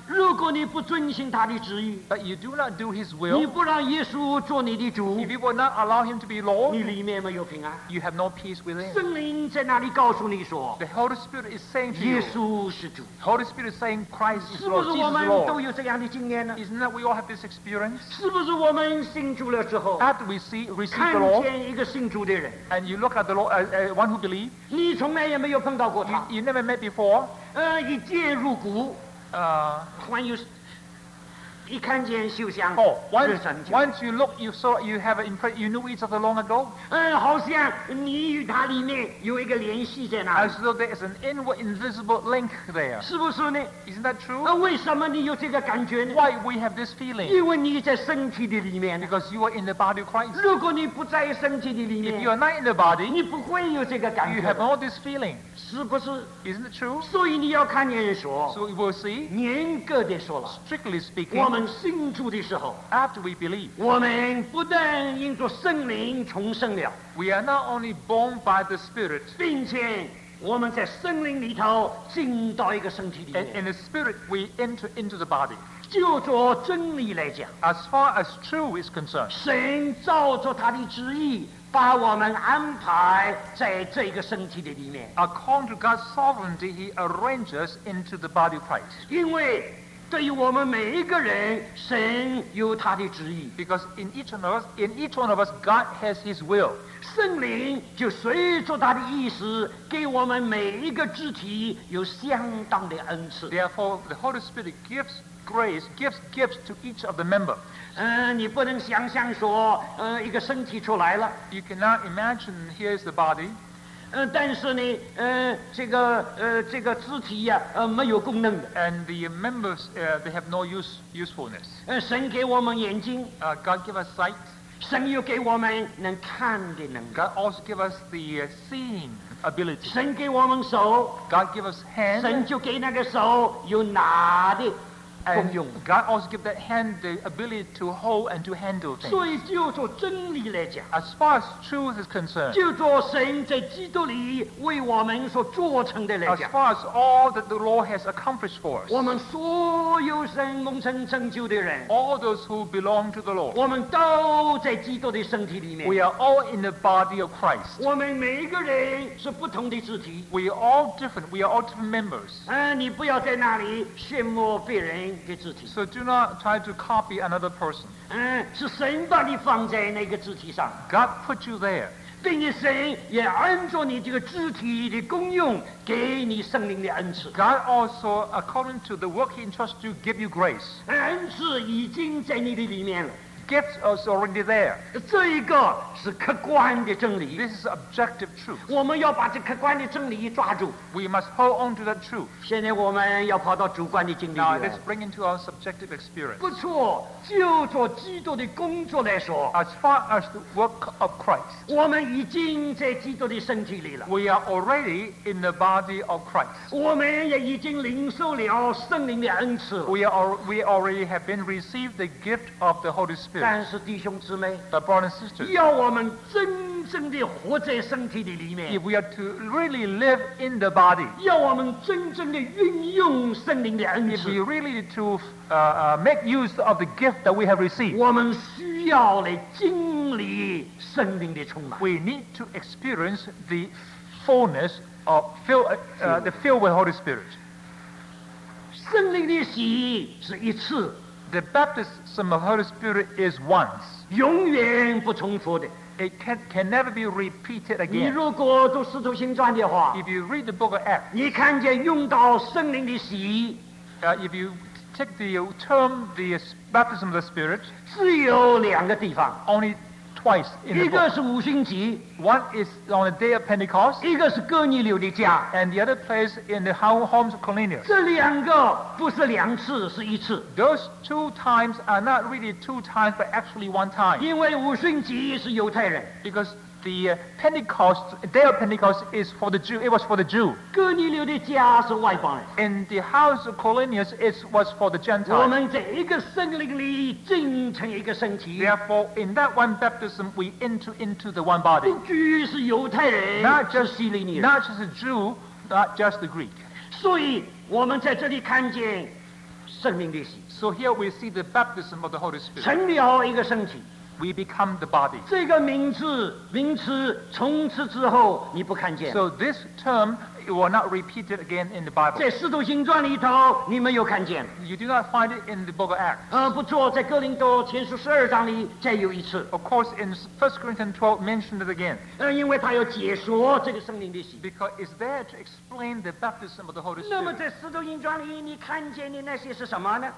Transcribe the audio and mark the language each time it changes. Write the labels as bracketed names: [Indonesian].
[Chinese] 如果你不遵循他的旨意 [English] but you do not do his will [Chinese] 你不让耶稣做你的主 [English] if you will not allow him to be Lord [Chinese] 你里面没有平安 [English] you have no peace within [Chinese] 圣灵在哪里告诉你说 [English] the Holy Spirit is saying to you [Chinese] 耶稣是主 [English] the Holy Spirit is saying Christ is Lord [Chinese] 是不是我们都有这样的经验呢 [English] isn't that we all have this experience [Chinese] 是不是我们信主了之后 [English] after we see, receive the Lord [Chinese] 看见一个信主的人 [English] and you look at the Lord one who believe [Chinese] 你从来也没有碰到过他 [English] you never met before [Chinese] 一介入骨 [English] when you [Chinese] 一看见修香 [English] once you look you saw you have an impression you knew each other long ago [Chinese] 好像你与他里面有一个联系在那 [English] as though there is an inward invisible link there [Chinese] 是不是呢 [English] isn't that true [Chinese] 为什么你有这个感觉呢 [English] why we have this feeling [Chinese] 因为你在身体的里面 [English] because you are in the body of Christ [Chinese] 如果你不在身体的里面 [English] if you are not in the body [Chinese] 你不会有这个感觉 [English] you have all this feeling [Chinese] 是不是 [English] isn't it true [Chinese] 所以你要看见说 [English] so you will see [Chinese] 严格地说了 [English] strictly speaking [Chinese] 我们信主的时候 [English] after we believe [Chinese] 我们不但因着圣灵重生了 [English] we are not only born by the spirit [Chinese] 并且我们在圣灵里头进到一个身体里面 [English] and in the spirit we enter into the body [Chinese] 就着真理来讲 [English] as far as true is concerned [Chinese] 神照着他的旨意把我们安排在这个身体的里面 [English] according to God's sovereignty he arranges into the body of Christ [Chinese] 因为对于我们每一个人神有他的旨意 [English] because in each one of us in each one of us God has his will [Chinese] 圣灵就随着他的意思给我们每一个肢体有相当的恩赐 [English] therefore the Holy Spirit gives grace gives gifts to each of the member [Chinese] 你不能想象说一个身体出来了 [English] you cannot imagine here is the body [Chinese] 但是呢这个肢体呀、啊、没有功能的 [English] and the members they have no usefulness [Chinese] 神给我们眼睛 [English] God give us sight [Chinese] 神又给我们能看的能力 [English] God also give us the seeing ability [Chinese] 神给我们手 [English] God give us hand [Chinese] 神就给那个手有拿的 [English] And God also gives that hand the ability to hold and to handle things. [Chinese] 所以就说真理来讲 [English] As far as truth is concerned, [Chinese] 就说神在基督里为我们所做成的来讲 [English] As far as all that the Lord has accomplished for us, [Chinese] 我们所有神蒙神成就的人 [English] All those who belong to the Lord, [Chinese] 我们都在基督的身体里面 [English] We are all in the body of Christ. [Chinese] 我们每一个人是不同的肢体 [English] We are all different. We are all different members. [Chinese] 你不要在那里羡慕别人 [English] So do not try to copy another person. [Chinese] 是神把你放在那个肢体上。 [English] God put you there. [Chinese] 并且神也按照你这个肢体的功用，给你圣灵的恩赐。 [English] God also, according to the work He entrusts you, give you grace. [Chinese] 恩赐已经在你的里面了。 [English] Gifts are already there. [Chinese] 这一个是客观的真理。 [English] This is objective truth. [Chinese] 我们要把这客观的真理抓住。 [English] We must hold on to that truth. [Chinese] 现在我们要跑到主观的经历里来。 [English] Now let's bring into our subjective experience. [Chinese] 不错，就做基督的工作来说。 [English] As far as the work of Christ. [Chinese] 我们已经在基督的身体里了。 [English] We are already in the body of Christ. [Chinese] 我们也已经领受了圣灵的恩赐。 [English] We already have been received the gift of the Holy Spirit. [Chinese] 但是弟兄姊妹 [English] But brothers and sisters, [Chinese] 要我们真正地活在身体的里面 [English] If we are to really live in the body [Chinese] 要我们真正地运用圣灵的恩赐 [English] If we really to make use of the gift that we have received [Chinese] 我们需要来经历圣灵的充满 [English] We need to experience the fullness of the filled with Holy Spirit [Chinese] 圣灵的洗是一次 [English] The baptism of the Holy Spirit is once. [Chinese] 永远不重复的。 [English] It can never be repeated again. [Chinese] 你如果读《使徒行传》的话 [English] If you read the book of Acts, [Chinese] 你看见用到圣灵的洗 [English] If you take the term the baptism of the Spirit, [Chinese] 只有两个地方。 [English] Only twice in the book. [Chinese] 一个是五旬节 [English] One is on the day of Pentecost. [Chinese] 一个是哥尼流的家。 [English] And the other place in the homes of Cornelius. [Chinese] 这两个不是两次，是一次。 [English] Those two times are not really two times, but actually one time. [Chinese] 因为五旬节是犹太人。 [English] Because the Pentecost, day of Pentecost is for the Jew, it was for the Jew. And the house of Cornelius was for the Gentiles. Therefore, in that one baptism, we enter into the one body. Not just the Jew, not just the Greek. So here we see the baptism of the Holy Spirit. We become the body. [Chinese] 这个名字,名词,从此之后,你不看见。 [English] So this term will not repeat it again in the Bible. [Chinese] 在使徒行传里头,你没有看见。 [English] You do not find it in the book of Acts. [Chinese] 不错,在哥林多前书12章里再有一次。 [English] Of course, in 1 Corinthians 12, mentioned it again. [Chinese] 因为他要解说这个圣灵的洗。 [English] Because it's there to explain the baptism of the Holy Spirit. [Chinese] 那么在使徒行传里,你看见的那些是什么呢?